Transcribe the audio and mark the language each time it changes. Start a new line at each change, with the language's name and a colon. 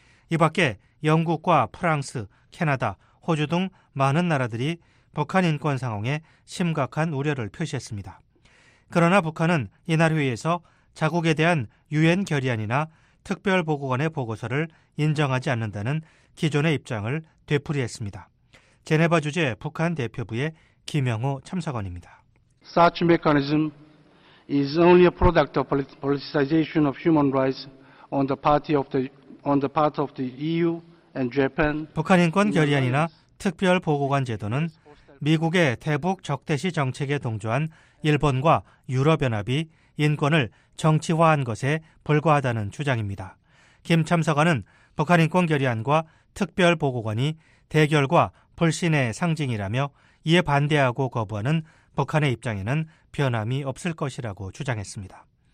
Korean: 이 밖에 영국과 프랑스, 캐나다, 호주 등 많은 나라들이 북한 인권 상황에 심각한 우려를 표시했습니다. 그러나 북한은 이날 회의에서 자국에 대한 유엔 결의안이나 특별보고관의 보고서를 인정하지 않는다는 기존의 입장을 되풀이했습니다. 제네바 주재 북한 대표부의 김영호 참사관입니다.
English: Such mechanism is only a product of politicization of human rights on the part of the EU and Japan.
Korean: 북한 인권 결의안이나 특별 보고관 제도는 미국의 대북 적대시 정책에 동조한 일본과 유럽 연합이 인권을 정치화한 것에 불과하다는 주장입니다. 김 참사관은 북한 인권 결의안과 특별 보고관이 대결과 불신의 상징이라며 이에 반대하고 거부하는 북한의 입장에는 변함이 없을 것이라고 주장했습니다.